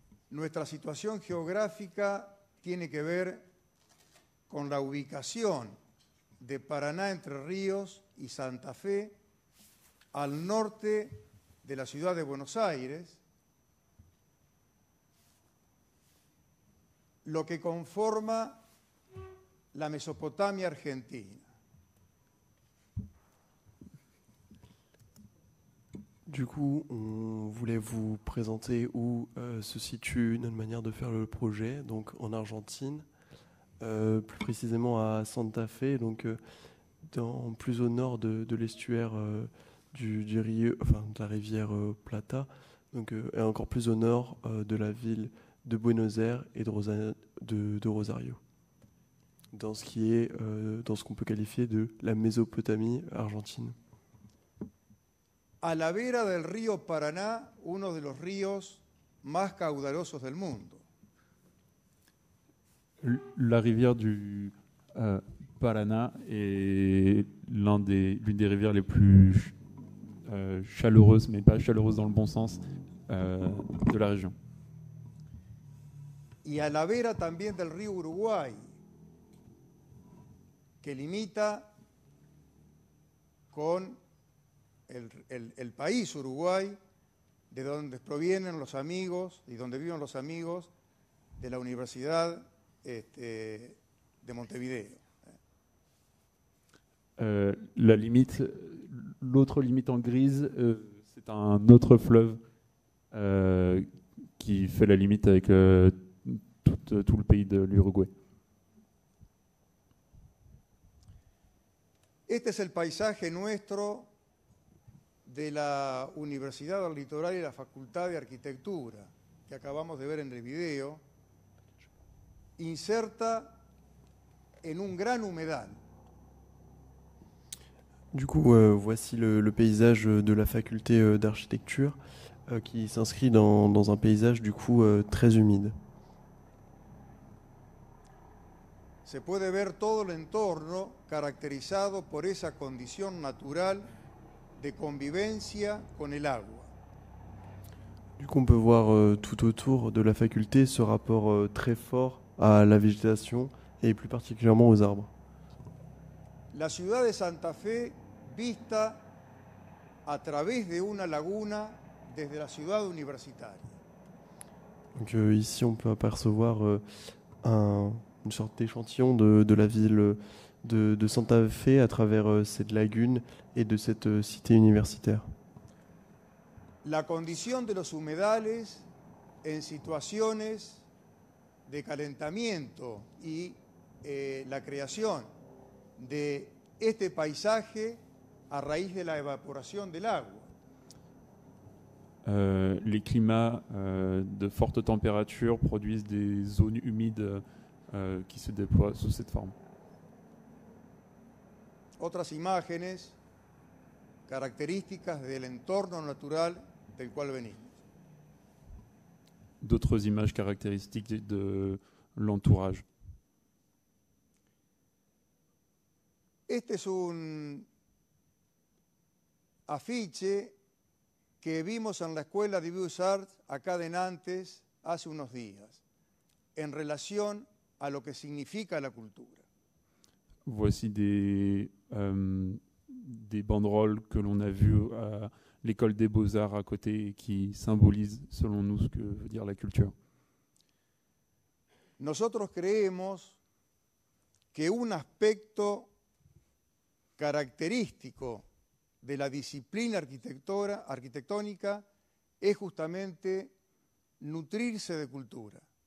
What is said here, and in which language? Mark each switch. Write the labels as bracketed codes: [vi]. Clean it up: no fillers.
[es] Nuestra situación geográfica tiene que ver con la ubicación de Paraná Entre Ríos y Santa Fe, al norte de la ciudad de Buenos Aires, lo que conforma la Mesopotamia argentina. [fr] Du coup, on voulait vous présenter où se situe notre manière de faire le projet, donc en Argentine, plus précisément à Santa Fe, donc dans plus au nord de l'estuaire de la rivière Plata, donc, et encore plus au nord de la ville de Buenos Aires et de Rosario, dans ce qui est dans ce qu'on peut qualifier de la Mésopotamie argentine. [es] À la vera del río Paraná, uno de los ríos más caudalosos del mundo. [fr] La rivière du Paraná est l'une des rivières les plus chaleureuse, mais pas chaleureuse dans le bon sens, de la région. [es] Y a la vera también del río Uruguay, que limita con el país Uruguay, de donde provienen los amigos y donde viven los amigos de la Universidad de Montevideo. [fr] La limite, l'autre limite en grise, c'est un autre fleuve qui fait la limite avec tout le pays de l'Uruguay. [es] Este es el paisaje nuestro de la Universidad del Litoral y la Facultad de Arquitectura que acabamos de ver en el video, inserta en un gran humedal. [fr] Du coup, voici le paysage de la faculté d'architecture qui s'inscrit dans un paysage du coup très humide. [es] Se puede ver todo el entorno caracterizado por esa condición natural de convivencia con el agua. [fr] Du coup, on peut voir tout autour de la faculté ce rapport très fort à la végétation et plus particulièrement aux arbres. [es] La ciudad de Santa Fe vista a través de una laguna desde la ciudad universitaria. [fr] Donc ici on peut apercevoir une sorte d'échantillon de la ville de Santa Fe à travers cette lagune et de cette cité universitaire. [es] La condición de los humedales en situaciones de calentamiento y la creación de este paisaje a raíz de la evaporación del agua. [fr] Les climats de forte température produisent des zones humides qui se déploient sous cette forme. [es] Otras imágenes características del entorno natural del cual venimos. [fr] D'autres images caractéristiques de l'entourage. [es] Este es un afiche que vimos en la Escuela de Beaux Arts acá de Nantes hace unos días, en relación a lo que significa la cultura. [fr] Voici des banderoles que l'on a vues à l'École des Beaux-Arts à côté et qui symbolisent, selon nous, ce que veut dire la culture. [es] Nosotros creemos que un aspecto característico de la disciplina arquitectónica es justamente nutrirse de cultura.